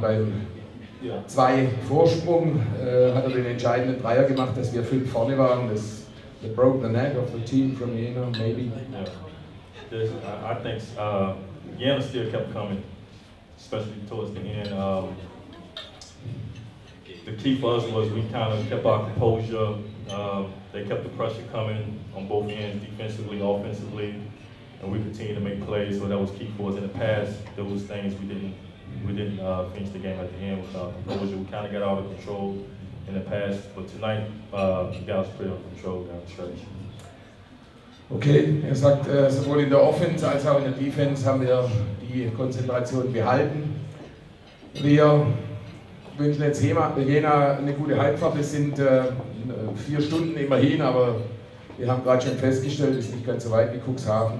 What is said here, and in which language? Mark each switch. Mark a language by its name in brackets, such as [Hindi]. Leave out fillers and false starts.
[German] Beim 2 Vorsprung hat er den entscheidenden Dreier gemacht, dass wir 5 vorne waren. [English] Das broke the neck of the team from Jena, maybe. Yeah. I think Jena still kept coming, especially towards the end. The key for us was we kind of kept our composure. They kept the pressure coming on both ends, defensively, offensively, and we continued to make plays. So that was key for us. In the past, those things we didn't finish the game at the end with our composure. We kind of got out of control in the past, but tonight we got us pretty under control down the stretch. [German] Okay, er sagt, sowohl in der Offense als auch in der Defense haben wir die Konzentration behalten. Wir wünschen jetzt Jena eine gute Heimfahrt. Es sind 4 Stunden immerhin, aber wir haben gerade schon festgestellt, es ist nicht ganz so weit wie Cuxhaven.